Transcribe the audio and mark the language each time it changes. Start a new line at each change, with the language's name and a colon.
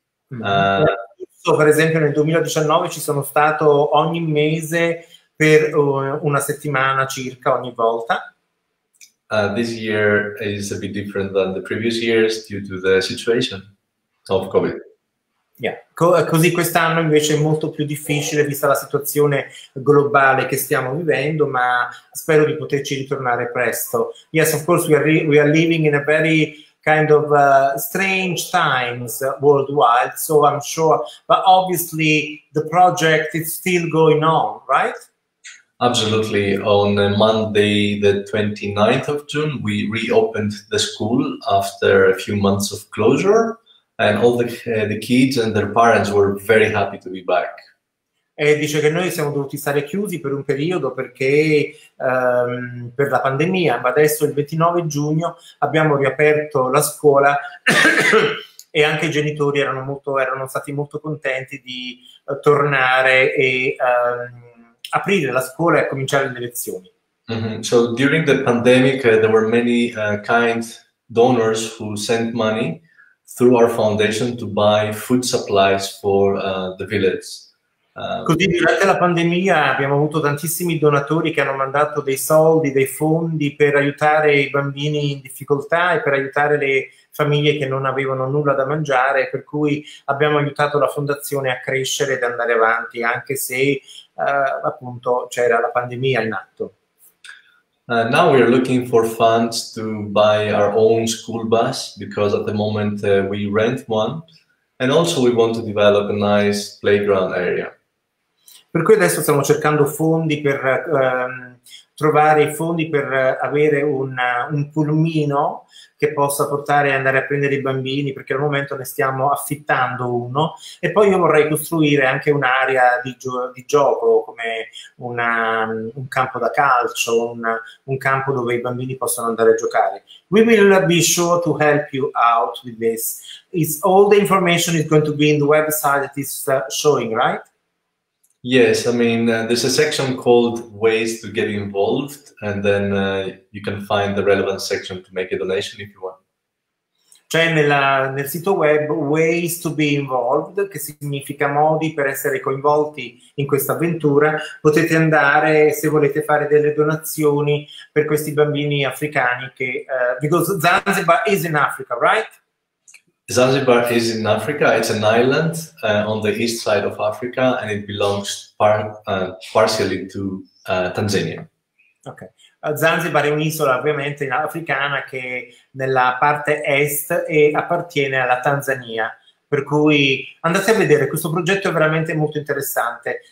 Italian: So, per esempio, nel 2019 ci sono stato ogni mese per una settimana circa ogni volta.
English: This year is a bit different than the previous years due to the situation of COVID.
Italian: Così quest'anno invece è molto più difficile vista la situazione globale che stiamo vivendo, ma spero di poterci ritornare presto.
English: Yes, of course we are living in a very kind of strange times worldwide, so I'm sure, but obviously the project is still going on, right? Absolutely. On Monday, the 29th of June, we reopened the school after a few months of closure, and all the kids and their parents were very happy to be back.
Italian: E dice che noi siamo dovuti stare chiusi per un periodo perché per la pandemia, ma adesso il 29 giugno abbiamo riaperto la scuola e anche i genitori erano stati molto contenti di tornare e aprire la scuola e cominciare le lezioni.
English: So during the pandemic there were many kind donors who sent money through our foundation to buy food supplies for the village.
Italian: Così durante la pandemia abbiamo avuto tantissimi donatori che hanno mandato dei soldi, dei fondi per aiutare i bambini in difficoltà e per aiutare le famiglie che non avevano nulla da mangiare, per cui abbiamo aiutato la fondazione a crescere ed andare avanti anche se appunto c'era la pandemia in atto.
English: Now we are looking for funds to buy our own school bus because at the moment we rent one, and also we want to develop a nice playground area.
Italian: Per cui adesso stiamo cercando fondi per trovare i fondi per avere un pulmino che possa portare ad andare a prendere i bambini, perché al momento ne stiamo affittando uno, e poi io vorrei costruire anche un'area di gioco, come un campo da calcio, un campo dove i bambini possano andare a giocare.
English: We will be sure to help you out with this. It's all the information is going to be in the website that is showing, right? Yes, I mean, there's a section called Ways to Get Involved, and then you can find the relevant section to make a donation if you want.
Italian: C'è nel sito web Ways to Be Involved, che significa modi per essere coinvolti in questa avventura. Potete andare, se volete, fare delle donazioni per questi bambini africani, che
English: because Zanzibar is in Africa, right? Zanzibar is in Africa. It's an island on the east side of Africa, and it belongs partially to Tanzania. Okay.
Italian: Zanzibar è un'isola ovviamente africana che nella parte est e appartiene alla Tanzania. Per cui andate a vedere, questo progetto è veramente molto interessante.